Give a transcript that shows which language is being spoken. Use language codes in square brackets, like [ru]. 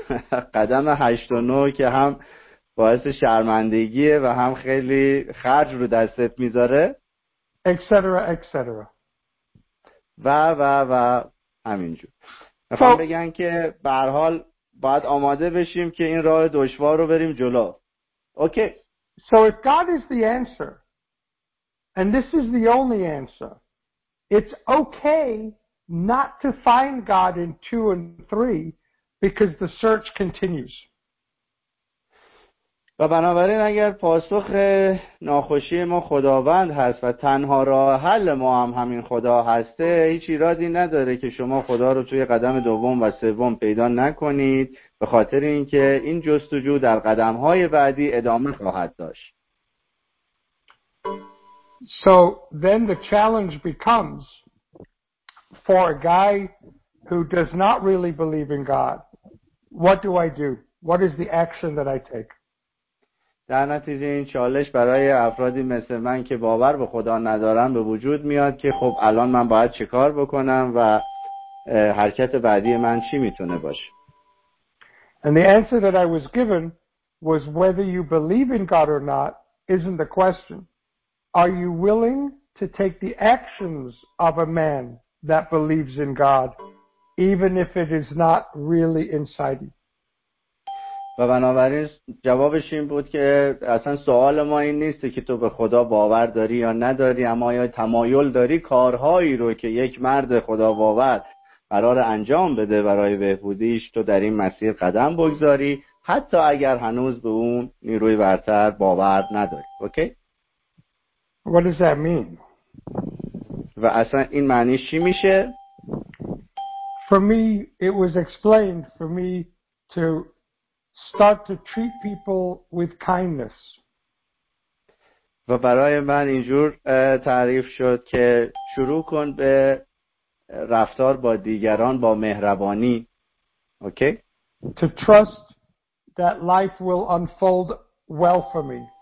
[fa] قدم 8 و 9 که هم باعث شرمندگیه و هم خیلی خرج رو دستت میذاره [en] etc. [fa] و و و همینجور میخوام بگن که به هر حال باید آماده بشیم که این راه دشوار رو بریم جلو. اوکی [en] So if God is the answer and this is the only answer it's okay not to find God in 2 and 3 because the search continues. [fa] و بنابراین اگر پاسخ ناخوشی ما خداوند هست و تنها راه حل ما هم همین خدا هسته، هیچ ایرادی نداره که شما خدا رو توی قدم دوم و سوم پیدا نکنید، به خاطر اینکه این جستجو در قدم‌های بعدی ادامه خواهد داشت. [en] So then the challenge becomes for a guy who does not really believe in God, what do I do? What is the action that I take? [fa] در نتیجه این چالش برای افرادی مثل من که باور به خدا ندارم به وجود میاد که خب الان من باید چه کار بکنم و حرکت بعدی من چی میتونه باشه. [en] And the answer that I was given was whether you believe in God or not isn't the question. Are you willing to take the actions of a man that believes in God even if it is not really inside you? [fa] و بنابراین جوابش این بود که اصلا سوال ما این نیست که تو به خدا باور داری یا نداری، اما یا تمایل داری کارهایی رو که یک مرد خدا باور قرار انجام بده برای بهبودیش تو در این مسیر قدم بگذاری، حتی اگر هنوز به اون نیروی برتر باور نداری. اوکی؟ [en] What does that mean? [fa] و اصلا این معنیش چی میشه؟ [en] For me it was explained for me to start to treat people with kindness. [fa] و برای من اینجور تعریف شد که شروع کن به رفتار با دیگران با مهربانی. اوکی؟ [en] To trust that life will unfold well for me.